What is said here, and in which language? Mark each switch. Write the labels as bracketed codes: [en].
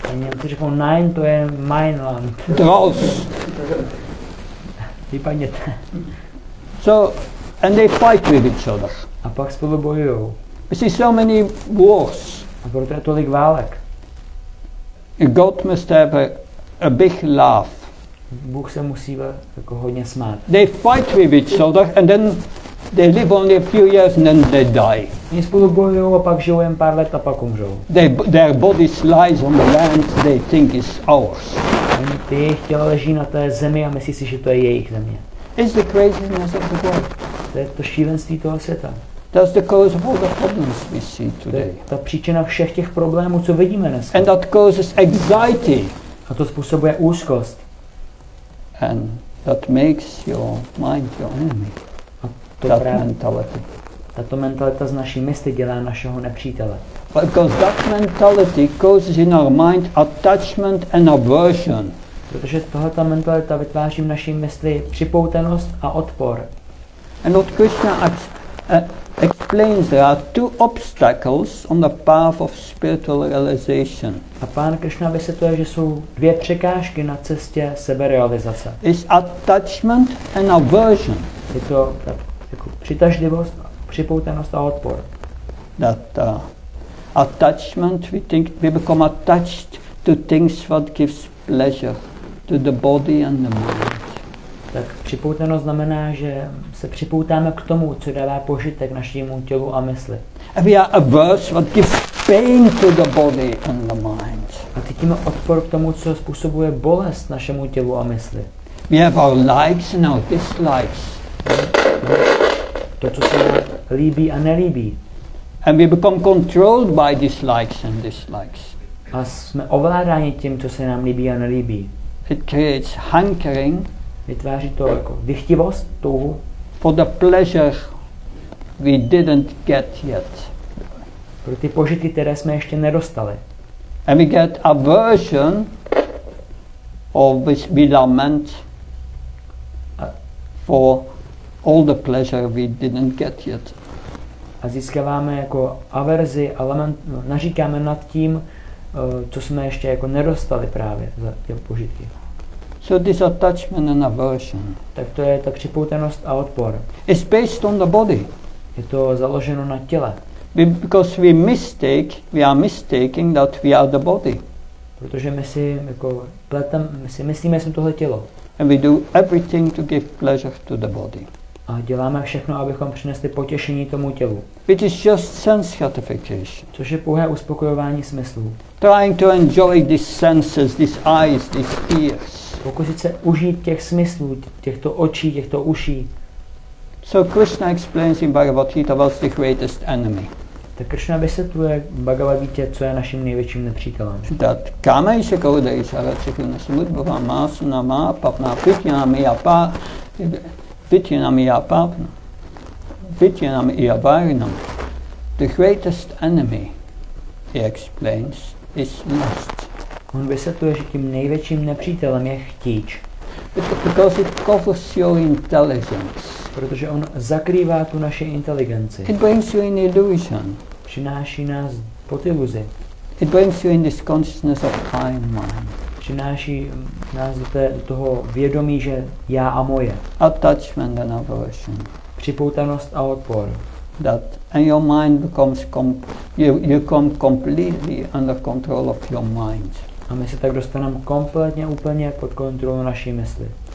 [cs] A Němci řeknou, [de] nein, [cs] to je [de] mein land. Draus. [cs] Vypadněte. [en] So, and they fight with each other. [cs] A pak spolu bojujou. [en] You see so many wars. [cs] A proto je tolik válek. [en] God must have a big laugh. [cs] Bůh se musí jako hodně smát. [en] They fight with each other and then they live only a few years and then they die. [cs] Oni spolu bojujou a pak žijou jen pár let a pak umřou. [en] Their bodies lies on the land they think is ours. [cs] Oni ty jejich těla leží na té zemi a myslí si, že to je jejich země. [en] Is the craziness of the world. [cs] To je to šílenství toho světa. [en] That's the cause of all the problems we see today. [cs] Ta příčina všech těch problémů, co vidíme dneska. [en] And that causes anxiety. [cs] A to způsobuje úzkost. [en] And that makes your mind your enemy. [cs] A to [en] that [cs] právě [en] mentality. [cs] Tato mentalita z naší mysli dělá našeho nepřítele. [en] Because that mentality causes in our mind attachment and aversion. [cs] Protože tohleta mentalita vytváří v naší mysli připoutenost a odpor. [en] And what Krishna explains there are two obstacles on the path of spiritual realization. [cs] A pán Krishna vysvětluje, že jsou dvě překážky na cestě seberealizace. [en] Is attachment and aversion. [cs] Je to tak, jako přitažlivost, připoutanost a odpor. [en] That attachment, we think we become attached to things that gives pleasure to the body and the mind. [cs] Tak připoutanost znamená, že se připoutáme k tomu, co dává požitek našemu tělu a mysli. [en] We are averse what gives pain to the body and the mind. [cs] A cítíme odpor k tomu, co způsobuje bolest našemu tělu a mysli. [en] We have our likes and our dislikes. [cs] To, co se nám líbí a nelíbí. [en] And we become controlled by dislikes and dislikes. [cs] A jsme ovládáni tím, co se nám líbí a nelíbí. [en] It creates hankering. [cs] Vytváří to jako vychtivost, touhu. [en] For the pleasure we didn't get yet. [cs] Pro ty požitky, které jsme ještě nedostali. [en] And we get aversion or which we lament for all the pleasure we didn't get yet. [cs] A získáváme jako averzi a lament, naříkáme nad tím, co jsme ještě jako nedostali právě za ty požitky. [en] So this attachment and aversion. [cs] Tak to je ta připoutanost a odpor. [en] It's based on the body. [cs] Je to založeno na těle. [en] Because we mistake, we are mistaking that we are the body. [cs] Protože my si jako pletem, my si myslíme, že jsme tohle tělo. [en] And we do everything to give pleasure to the body. [cs] A děláme všechno, abychom přinesli potěšení tomu tělu. [en] Which is just sense gratification. [cs] Což je pouhé uspokojování smyslů. [en] Trying to enjoy these senses, these eyes, these ears. [cs] Pokusit se užít těch smyslů, těchto očí, těchto uší. [en] So Krishna explains in Bhagavad Gita what's the greatest enemy. [cs] Tak Krishna vysvětluje Bhagavad Gita, co je naším největším nepřítelem. [sa] That kama is a kouda is a rachikuna smudbhava masuna ma papna pityana mi apa pityana mi apa pityana mi avarinam. [en] The greatest enemy, he explains, is lust. [cs] On vysvětluje, že tím největším nepřítelem je chtíč. [en] Because it covers your intelligence. [cs] Protože on zakrývá tu naši inteligenci. [en] It brings you in illusion. [cs] Přináší nás pod iluzi. [en] It brings you in this consciousness of I and mine. [cs] Přináší nás do toho vědomí, že já a moje. [en] Attachment and aversion. [cs] Připoutanost a odpor. [en] That and your mind becomes you come completely under control of your mind. [cs] A my se tak dostaneme kompletně úplně pod kontrolu naší mysli.